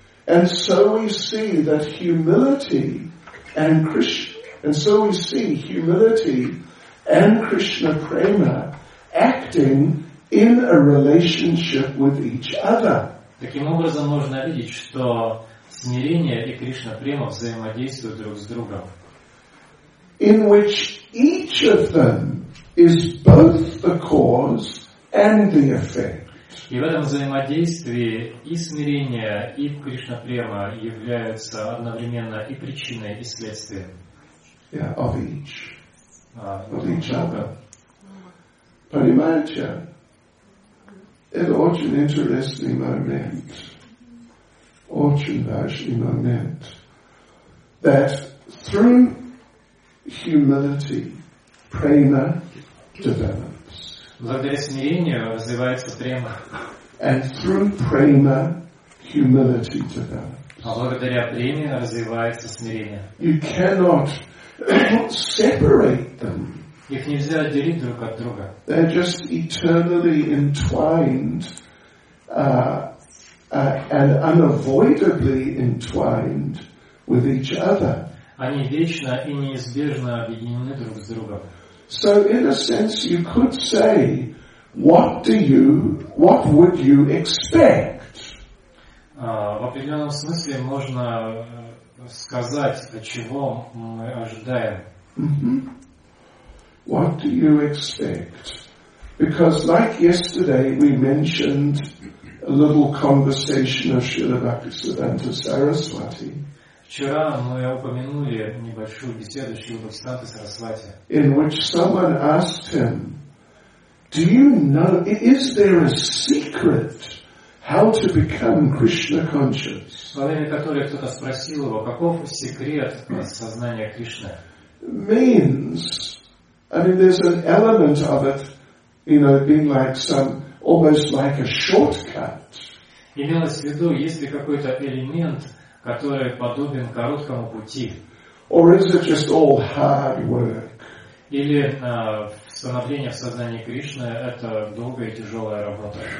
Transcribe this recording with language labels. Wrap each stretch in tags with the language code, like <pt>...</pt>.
<en>And so we see that humility and Krishna, and so we see humility and Krishna Prema acting in a relationship with each other.</en> <ru>Таким образом, можно видеть, что смирение и Кришна Према взаимодействуют друг с другом.</ru> <en>In which each of them is both the cause and the effect.</en> <ru>И в этом взаимодействии и смирение, и Кришна Према являются одновременно и причиной, и следствием.</ru> <en>Yeah, of each. Of each other.</en> <ru>Понимаете? Это очень интересный момент. Очень важный момент.</ru> <en>That through humility, prema develops.</en> <ru>Благодаря смирению развивается према.</ru> <en>And through prema, humility develops.</en> <ru>А благодаря преме развивается смирение.</ru> <en>You cannot separate them.</en> <ru>Их нельзя отделить друг от друга.</ru> <en>They're just eternally entwined, and unavoidably entwined with each other.</en> <ru>Они вечно и неизбежно объединены друг с другом.</ru> <en>So in a sense you could say, what would you expect?</en> <ru>В определенном смысле можно сказать, чего мы ожидаем.</ru> <en>Mm-hmm. What do you expect? Because like yesterday we mentioned a little conversation of Srila Bhaktisiddhanta Saraswati.</en> <ru>Вчера мы упомянули небольшую беседу Шрилы Бхактисиддханты Сарасвати.</ru> <en>In which someone asked him, "Do you know? Is there a secret how to become Krishna conscious?"</en> <ru>Во время которой кто-то спросил его, каков секрет сознания Кришны?</ru> <en>Means, I mean, there's an element of it, you know, being like some almost like a shortcut.</en> <ru>Имелось в виду, есть ли какой-то элемент, который подобен короткому пути.</ru> <en>Or is it just all hard work?</en> <ru>Или становление в сознании Кришны – это долгая и тяжелая работа?</ru>